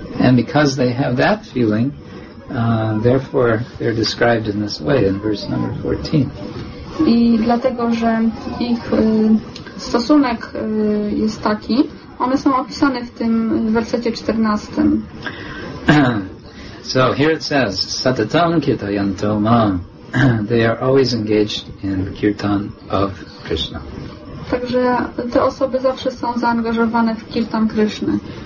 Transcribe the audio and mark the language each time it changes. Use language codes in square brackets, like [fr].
[en] And because they have that feeling, therefore they're described in this way in verse number 14. [pl] I dlatego, że ich stosunek jest taki, one są opisane w tym wersecie 14. [en] So here it says, [sa] satatam kirtayanto mam. [en] They are always engaged in kirtan of Krishna. [pl] Także te osoby zawsze są zaangażowane w kirtan Krishna.